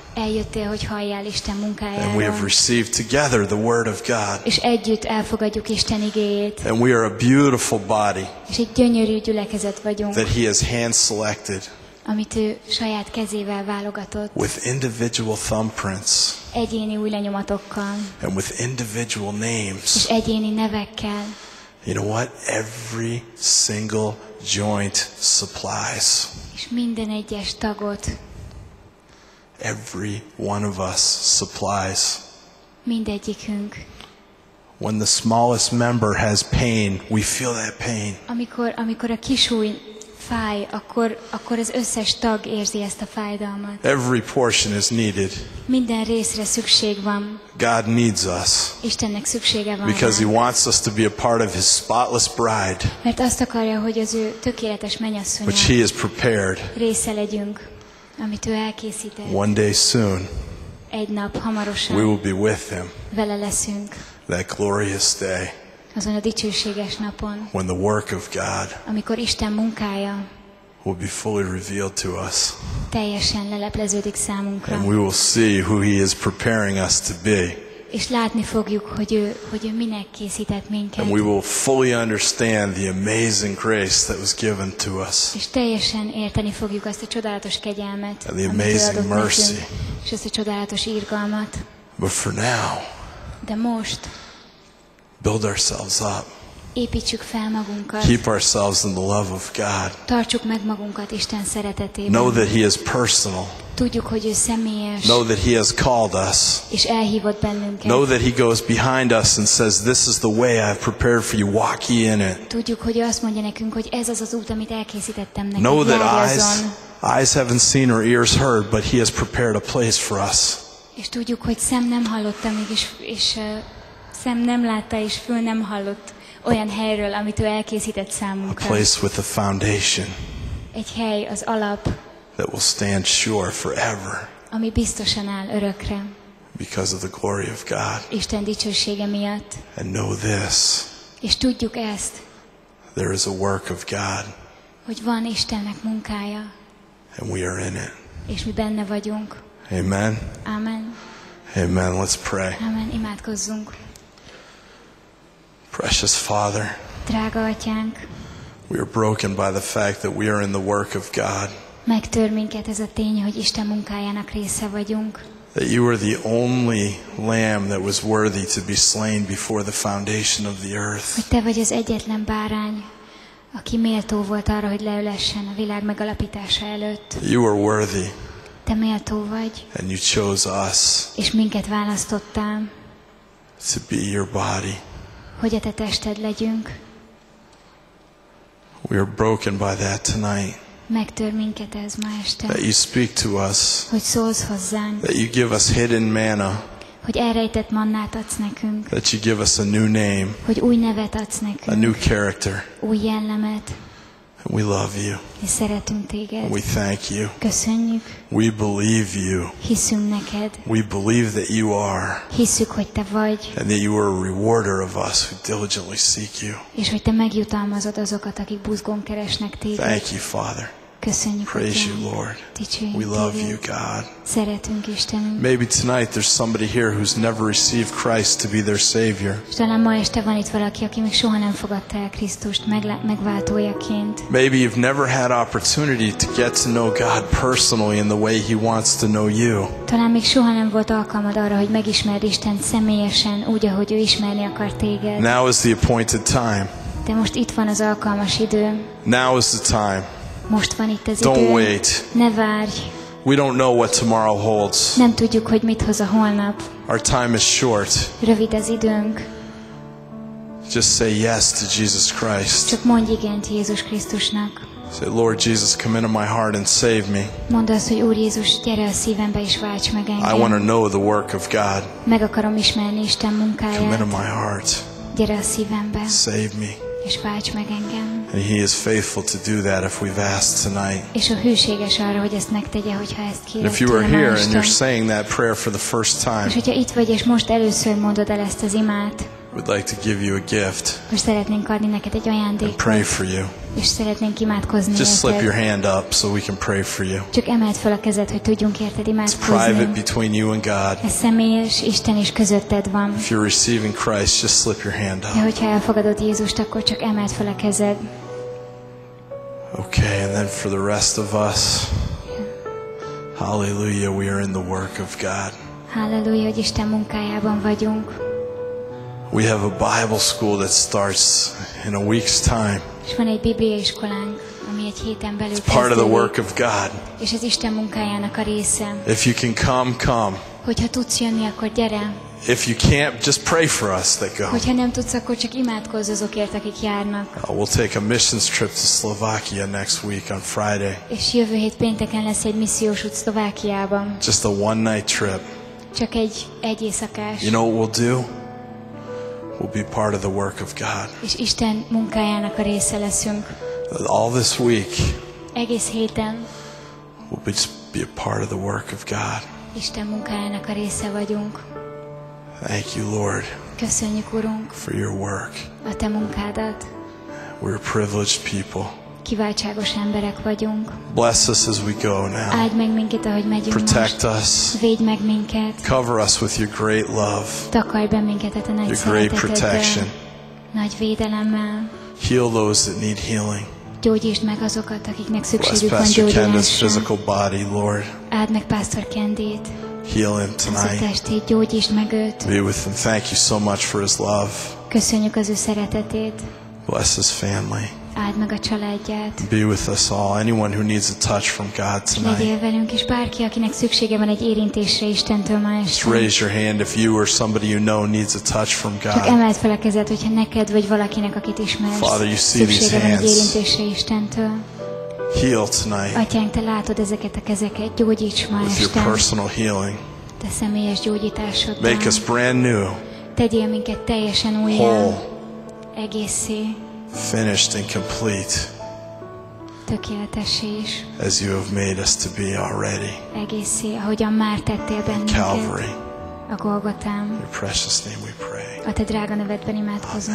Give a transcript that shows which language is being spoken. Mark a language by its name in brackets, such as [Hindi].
[Hungarian] Eljöttél, hogy halljál Isten munkájáról. [English] And we have received together the word of God. [Hungarian] És együtt elfogadjuk Isten igéjét. [English] And we are a beautiful body. [Hungarian] És egy gyönyörű gyülekezet vagyunk. [English] That he has hand selected. [Hungarian] Amit ő saját kezével válogatott. [English] With individual thumbprints. [Hungarian] Egyéni ujjlenyomatokkal. [English] And with individual names. [Hungarian] És egyéni nevekkel. [English] You know what? Every single joint supplies. [Hungarian] És minden egyes tagot. [English] Every one of us supplies. [Hungarian] Mindegyikünk. [English] When the smallest member has pain, we feel that pain. [Hungarian] Amikor a kis ujj fáj, akkor az összes tag érzi ezt a fájdalmat. [English] Every portion is needed. [Hungarian] Minden részre szükség van. [English] God needs us. [Hungarian] Istennek szüksége van. [English] Because he wants us to be a part of his spotless bride. [Hungarian] Mert azt akarja, hogy az ő tökéletes mennyasszonya. [English] Which he has prepared. [Hungarian] Része legyünk, amit ő elkészített. [English] One day soon. [Hungarian] Egy nap hamarosan. [English] We will be with him. [Hungarian] Vele leszünk. [English] That glorious day. [Hungarian] Azon a dicsőséges napon, [English] when the work of God, [Hungarian] amikor Isten munkája, [English] will be fully revealed to us, [Hungarian] teljesen lelepleződik számunkra, [English] and we will see who he is preparing us to be, [Hungarian] és látni fogjuk, hogy ő minek készített minket, [English] and we will fully understand the amazing grace that was given to us, [Hungarian] és teljesen érteni fogjuk azt a csodálatos kegyelmet, [English] and the amazing mercy, [Hungarian] és azt a csodálatos irgalmat, [English] but for now, [Hungarian] de most. [English] build ourselves up. [Hungarian] Építsük fel magunkat. [English] Keep ourselves in the love of God. [Hungarian] Tartsuk meg magunkat Isten szeretetében. [English] Know that He is personal. [Hungarian] Tudjuk, hogy ő személyes. [English] Know that He has called us. [Hungarian] És elhívott bennünket. [English] Know that He goes behind us and says, "This is the way I have prepared for you. Walk ye in it." [Hungarian] Tudjuk, hogy ő azt mondja nekünk, hogy ez az az út, amit elkészítettem nekünk. [English] Know that eyes haven't seen or ears heard, but He has prepared a place for us. [Hungarian] És tudjuk, hogy szem nem hallotta még, és szem nem látta, és fül nem hallott olyan helyről, amit ő elkészített számunkra. [English] A place with a foundation. [Hungarian] Egy hely, az alap. [English] That will stand sure forever. [Hungarian] Ami biztosan áll örökre. [English] Because of the glory of God. [Hungarian] Isten dicsősége miatt. [English] And know this. [Hungarian] És tudjuk ezt. [English] There is a work of God. [Hungarian] Hogy van Istennek munkája. [English] And we are in it. [Hungarian] És mi benne vagyunk. [English] Amen. [Hungarian] Amen. [English] Amen. Let's pray. [Hungarian] Amen. Imádkozzunk. [English] Precious Father, [Hungarian] drága atyánk, [English] we are broken by the fact that we are in the work of God. [Hungarian] Megtör minket ez a tény, hogy Isten munkájának része vagyunk. [English] That you are the only lamb that was worthy to be slain before the foundation of the earth. [Hungarian] Hogy te vagy az egyetlen bárány, aki méltó volt arra, hogy leülessen a világ megalapítása előtt. [English] You are worthy. [Hungarian] Te méltó vagy. [English] And you chose us. [Hungarian] És minket választottál. [English] To be your body. [Hungarian] Hogy a te tested legyünk. [English] We are broken by that tonight. [Hungarian] Megtör minket ez ma este. [English] That you speak to us. [Hungarian] Hogy szólsz hozzánk. [English] That you give us hidden manna. [Hungarian] Hogy elrejtett mannát adsz nekünk. [English] That you give us a new name. [Hungarian] Hogy új nevet adsz nekünk. [English] A new character. [Hungarian] Új jellemet. [English] We love you. [Hungarian] És szeretünk téged. [English] We thank you. [Hungarian] Köszönjük. [English] We believe you. [Hungarian] Hiszünk neked. [English] We believe that you are. [Hungarian] Hiszük, hogy te vagy. [English] And that you are a rewarder of us who diligently seek you. [Hungarian] És hogy te megjutalmazod azokat, akik buzgón keresnek téged. [English] Thank you, Father. [Hungarian] Köszönjük, [English] praise you, Lord. We love you, God. [Hungarian] Szeretünk Istenünk. [English] Maybe tonight there's somebody here who's never received Christ to be their Savior. [Hungarian] Talán ma este van itt valaki, aki még soha nem fogadta el Krisztust megváltójaként. [English] Maybe you've never had opportunity to get to know God personally in the way He wants to know you. [Hungarian] Talán még soha nem volt alkalmad arra, hogy megismerd Isten személyesen, úgy, ahogy ő ismerni akar téged. [English] Now is the appointed time. [Hungarian] De most itt van az alkalmas idő. [English] Now is the time. [Hungarian] Most van itt az idő. [English] Don't wait. [Hungarian] Ne várj. [English] We don't know what tomorrow holds. [Hungarian] Nem tudjuk, hogy mit hoz a holnap. [English] Our time is short. [Hungarian] Rövid az időnk. [English] Just say yes to Jesus Christ. [Hungarian] Csak mondj igent Jézus Krisztusnak. [English] Say, Lord Jesus, come into my heart and save me. [Hungarian] Mondd azt, hogy Úr Jézus, gyere a szívembe és válts meg engem. [English] I want to know the work of God. [Hungarian] Meg akarom ismerni Isten munkáját. [English] Come into my heart. [Hungarian] Gyere a szívembe. [English] Save me. [Hungarian] És válts meg engem. [English] And He is faithful to do that if we've asked tonight. [Hungarian] És ő hűséges arra, hogy ezt megtegye, hogyha ezt kérjük. [English] If you are here and you're saying that prayer for the first time. [Hungarian] És hogyha itt vagy és most először mondod el ezt az imát. [English] We'd like to give you a gift. [Hungarian] Most szeretnénk adni neked egy ajándékot. [English] And pray for you. [Hungarian] És szeretnénk imádkozni érted. [English] Just slip your hand up so we can pray for you. [Hungarian] Csak emeld fel a kezed, hogy tudjunk érted imádkozni. [English] It's private between you and God. [Hungarian] Ez személyes, Isten és közötted van. [English] If you're receiving Christ, just slip your hand up. [Hungarian] De hogyha elfogadod Jézust, akkor csak emeld fel a kezed. [English] Okay, and then for the rest of us, hallelujah, we are in the work of God. [Hungarian] Hallelujah, hogy Isten munkájában vagyunk. [English] We have a Bible school that starts in a week's time. [Hungarian] És van egy bibliai iskolánk, ami egy héten belül. [English] It's part of the work of God. [Hungarian] És ez Isten munkájának a része. [English] If you can come, come. [Hungarian] Hogyha tudsz jönni, akkor gyere. [English] If you can't, just pray for us that go. [Hungarian] Hogyha nem tudsz, akkor csak imádkozz azokért, akik járnak. [English] We'll take a missions trip to Slovakia next week on Friday. [Hungarian] És jövő hét pénteken lesz egy missziós út Szlovákiában. [English] Just a one-night trip. [Hungarian] Csak egy éjszakás. [English] You know what we'll do? We'll be part of the work of God. [Hungarian] És Isten munkájának a része leszünk. [English] All this week. [Hungarian] Egész héten. [English] We'll just be a part of the work of God. [Hungarian] Isten munkájának a része vagyunk. [English] Thank you, Lord. [Hungarian] Köszönjük, Urunk. [English] For your work. [Hungarian] A te munkádat. [English] We're privileged people. [Hungarian] Kiváltságos emberek vagyunk. [English] Bless us as we go now. [Hungarian] Áld meg minket, ahogy megyünk. [English] Protect us. [Hungarian] Védj meg minket. [English] Cover us with your great love. [Hungarian] Takarj be minket a te nagy szeretetedben. Nagy védelemmel. [English] Heal those that need healing. [Hungarian] Gyógyítsd meg azokat, akiknek szükségük van gyógyulásra. [English] Bless Pastor Kendi's physical body, Lord. [Hungarian] Áld meg Pastor Kendit. [English] Heal him tonight. [Hungarian] Az a testét, gyógyítsd meg őt. [English] Be with him. Thank you so much for his love. [Hungarian] Köszönjük az ő szeretetét. [English] Bless his family. [Hungarian] Áld meg a családját. [English] Be with us all, anyone who needs a touch from God tonight. [Hungarian] Legyél velünk is bárki, akinek szüksége van egy érintésre Istentől ma este. [English] Just raise your hand if you or somebody you know needs a touch from God. [Hungarian] Csak emeld fel a kezed, hogyha neked vagy valakinek, akit ismersz. [English] Father, you see these hands. [Hungarian] Szüksége van egy érintésre Istentől. [English] Heal tonight. [Hungarian] Atyánk, te látod ezeket a kezeket, gyógyíts ma este. [English] With your personal healing. [Hungarian] Te személyes gyógyításoddal. [English] Make us brand new. [Hungarian] Tegyél minket teljesen újjá. [English] Whole. [Hungarian] Egészé. [English] Finished and complete. [Hungarian] Tökéletessé is. [English] As you have made us to be already. [Hungarian] Egészé, ahogyan már tettél bennünket. [English] Calvary. [Hungarian] A Golgotán. [English] Your precious name we pray. [Hungarian] A te drága nevedben imádkozom.